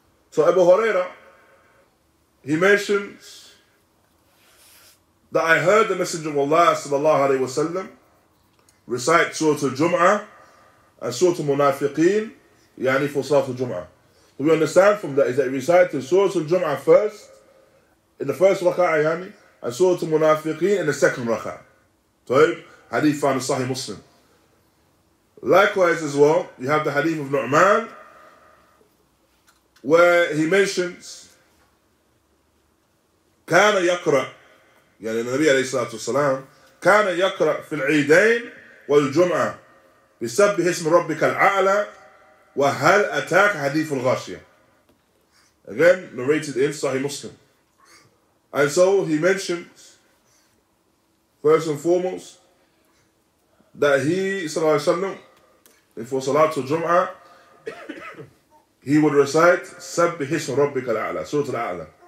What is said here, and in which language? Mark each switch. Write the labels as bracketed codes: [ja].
[en] So Abu Huraira, he mentions that I heard the Messenger of Allah sallallahu alayhi wasallam recite Surah Al-Jum'ah and Surah Al-Munafiqeen, yani for Salat Al-Jum'ah. What we understand from that is that he recited Surah Al-Jum'ah first, in the first raka'ah, yani, and Surah Al-Munafiqeen in the second raka'ah. Taib, hadith found in Sahih Muslim. Likewise as well, you have the hadith of Nu'man, where he mentions [ar] كان يقرأ يعني النبي عليه الصلاة والسلام كان يقرأ في العيدين والجمعة بسبح اسم ربك الأعلى وهل أتاك حديث الغاشية. [en] Again narrated in Sahih Muslim. And so he mentioned first and foremost that he [ar] صلى الله عليه وسلم [en] before [ar] صلاة الجمعة [en] he would recite [ar] سبح اسم ربك الأعلى سورة الأعلى.